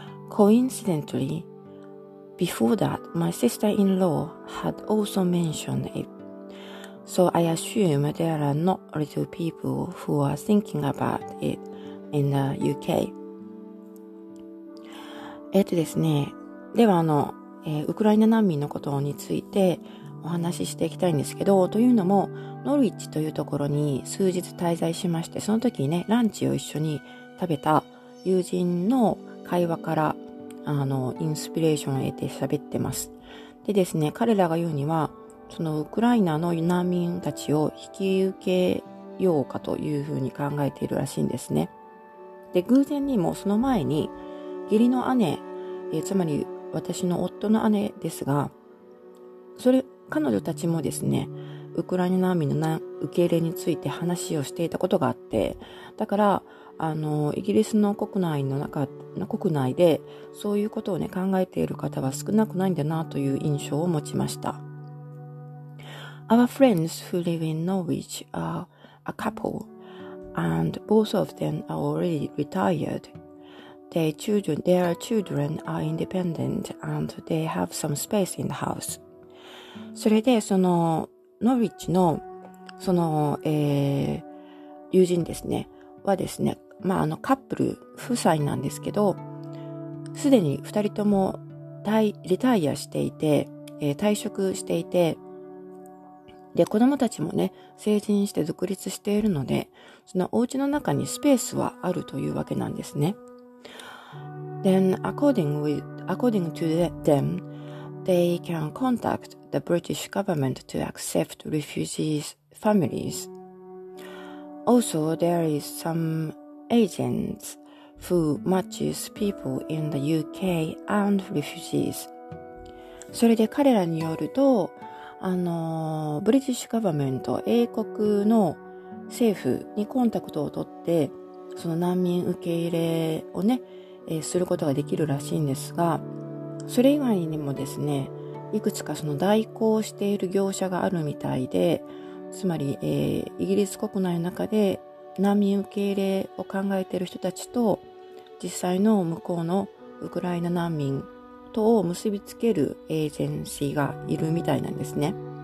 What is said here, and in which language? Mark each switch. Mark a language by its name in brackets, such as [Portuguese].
[English] Coincidentally, before that, my sister-in-law had also mentioned it, so I assume there are not little people who are thinking about it in the UK. [Japanese] ですね、ではウクライナ難民のことについてお話ししていきたいんですけど、というのもノルウィッチというところに数日滞在しまして、その時にね、ランチを一緒に食べた友人の会話からインスピレーションを得て喋ってます。でですね、彼らが言うには、そのウクライナの難民たちを引き受けようかというふうに考えているらしいんですね。で、偶然にもその前に義理の姉、つまり私の夫の姉ですが、彼女たちもですね、ウクライナ難民の受け入れについて話をしていたことがあって、だから、イギリスの国内で、そういうことをね、考えている方は少なくないんだなという印象を持ちました。 [English] Our friends who live in Norwich are a couple, and both of them are already retired. Their children are independent and they have some space in the house. [Japanese] それで、そのノビッチの、その、友人ですね、はですね、まあ、あの、カップル、夫妻なんですけど、すでに二人とも、リタイアしていて、退職していて、で、子供たちもね、成人して独立しているので、そのお家の中にスペースはあるというわけなんですね。 [English] Then, according to them, they can contact the British government to accept refugees' families. Also, there is some agents who matches people in the UK and refugees. [Japanese] それで彼らによると、ブリティッシュガバメント、英国の政府にコンタクトを取って、その難民受け入れをね、することができるらしいんですが、それ以外にもですね、いくつかその代行している業者があるみたいで、つまり、イギリス国内の中で難民受け入れを考えている人たちと、実際の向こうのウクライナ難民とを結びつけるエージェンシーがいるみたいなんですね。